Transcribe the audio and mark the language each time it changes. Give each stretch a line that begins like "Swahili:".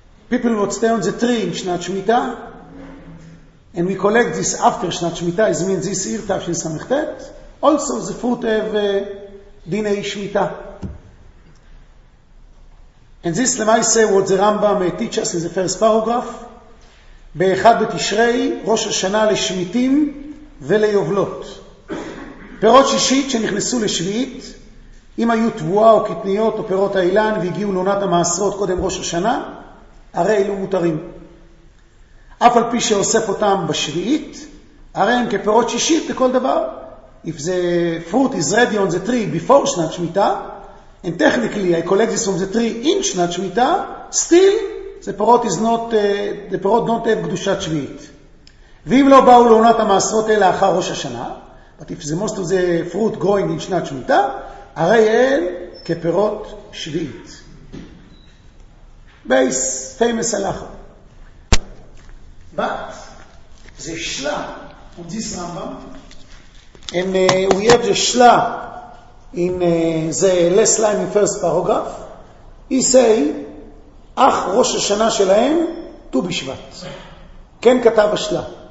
English: People would stay on the tree in שנת שמיטה, and we collect this after שנת שמיטה, it means this year,
Hebrew: תפשין סמכתת,
English: also the fruit of דיני שמיטה. And this, למעשה, what the Rambam teach us in the first paragraph,
Hebrew: באחד בתשרי, ראש השנה לשמיטים וליובלות. פירות שישית שנכנסו לשביעית, אם היו תבואה או קטניות או פירות האילן והגיעו לעונת המעשרות קודם ראש השנה, הרי אלו מותרים. אף על פי שאוסף אותם בשביעית, הרי הם כפירות שישית לכל דבר.
English: If the fruit is ready on the tree before שנת שמיטה, and technically I collect this from the tree in שנת שמיטה, still the פירות don't have קדושת שביעית.
Hebrew: ואם לא באו לעונת המעשרות אלה אחר ראש השנה,
English: but if the most of the fruit growing in
Hebrew: שנת שמיטה, הרי אל כפירות שביעית.
English: Base, famous הלכה. But, זה שלה, on this Rambam, and we have the שלה in the last line in first paragraph, he say,
Hebrew: אך ראש השנה שלהם, ט"ו בשבט. כן כתב השלה.